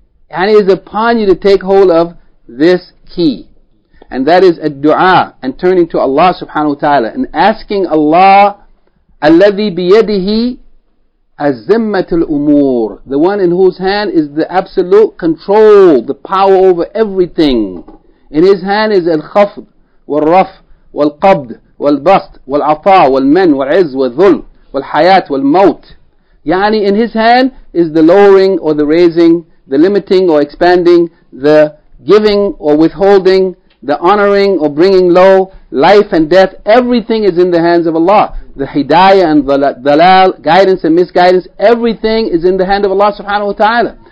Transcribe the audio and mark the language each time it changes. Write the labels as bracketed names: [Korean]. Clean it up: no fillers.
[English] And it is upon you to take hold of this key. And that is a dua and turning to Allah subhanahu wa ta'ala and asking Allah, [Arabic] الَّذِي بِيَدِهِ أَزِّمَّةُ الْأُمُورِ, [English] the one in whose hand is the absolute control, the power over everything. In his hand is [Arabic] الْخَفْضُ وَالْرَفْضُ وَالْقَبْضُ وَالْبَسْطُ وَالْعَطَاءُ وَالْمَنُّ وَالْعِزُّ وَالذُّلُّ وَالْحَيَاةُ وَالْمَوْتُ. [English] يعني in his hand is the lowering or the raising, the limiting or expanding, the giving or withholding, the honoring or bringing low, life and death, everything is in the hands of Allah. The hidayah and dalal, guidance and misguidance, everything is in the hand of Allah subhanahu wa ta'ala.